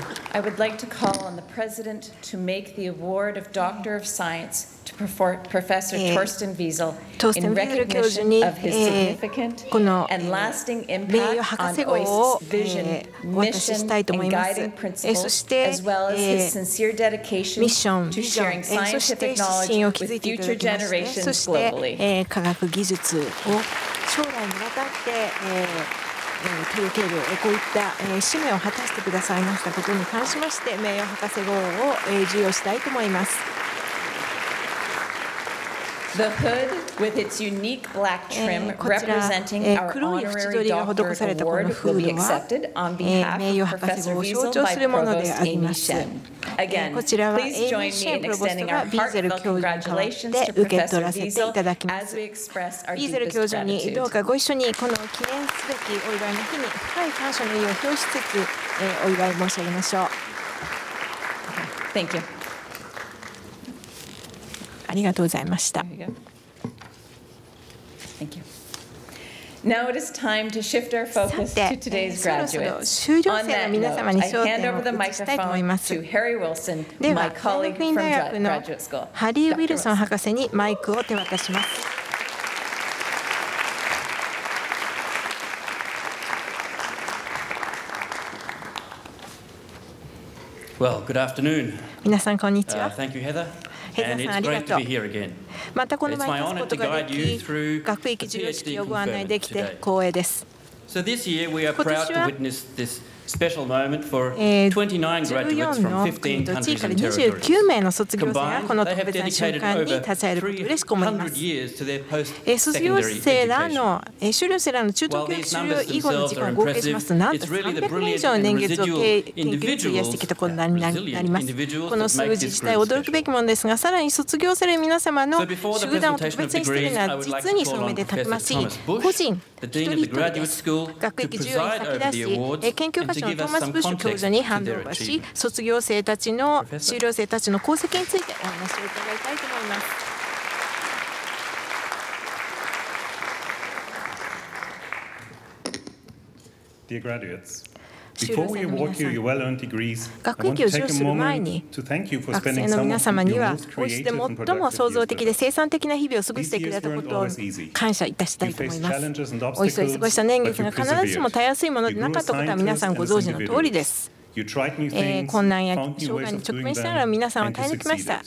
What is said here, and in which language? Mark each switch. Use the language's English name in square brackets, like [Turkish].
[English] I would like to call on the President to make the award of Doctor of Science to Professor Torsten Wiesel in recognition of his significant and lasting impact on OIST's vision, mission, and guiding principles, as well as his sincere dedication to sharing scientific knowledge with future generations globally. [Japanese] そして科学技術を将来にわたって届けるこういった使命を果たしてくださいましたことに関しまして、名誉博士号を授与したいと思います。 [English] The hood with its unique black trim representing our honorary doctorate award will be accepted on behalf of Professor Wiesel by Provost Amy Shen. Again, please join me in extending our heartfelt congratulations to Professor Wiesel as we express our deepest gratitude. [Japanese] どうかご一緒にこの記念すべきお祝いの日に深い感謝の意を表しつつ、お祝い申し上げましょう。 [English] Thank you. [Japanese] ありがとうございました。 [English] Thank you. Now it is time to shift our focus to today's graduates. [Japanese] そろそろ修了生の皆様に焦点を移したいと思います。では、カリフォルニア大学のハリー・ウィルソン博士にマイクを手渡します。 [English] Well, good afternoon. [Japanese] 皆さんこんにちは。 [English] Thank you, Heather. And it's great to be here again. [Japanese] またこの前に来ることができ、学域授与式をご案内できて光栄です。 [English] So this year we are proud to witness this special moment for 29 graduates from 15 countries and territories. [Japanese] 29名の卒業生がこの特別な瞬間に携わることを嬉しく思います。卒業生らの、修了生らの中等教育修了以後の時間を合計しますと、なんと300年以上の年月を経験を費やしてきたことになります。この数字自体驚くべきものですが、さらに卒業生の皆様の集団を特別にしているのは実にその目でたくましい個人一人一人です。学域授与に先立ち、研究課長のトーマス・ブッシュ教授にハンドオーバーし、卒業生たちの、修了生たちの功績についてお話を伺いたいと思います。 [English] Dear graduates. Before we award you your well-earned degrees, [Japanese] 学域を授与する前に学生の皆様にはこうして最も創造的で生産的な日々を過ごしてくれたことを感謝いたしたいと思います。お忙しい過ごした年月が必ずしもたやすいものでなかったことは皆さんご存知の通りです。困難や障害に直面しながら皆さんは耐え抜きました。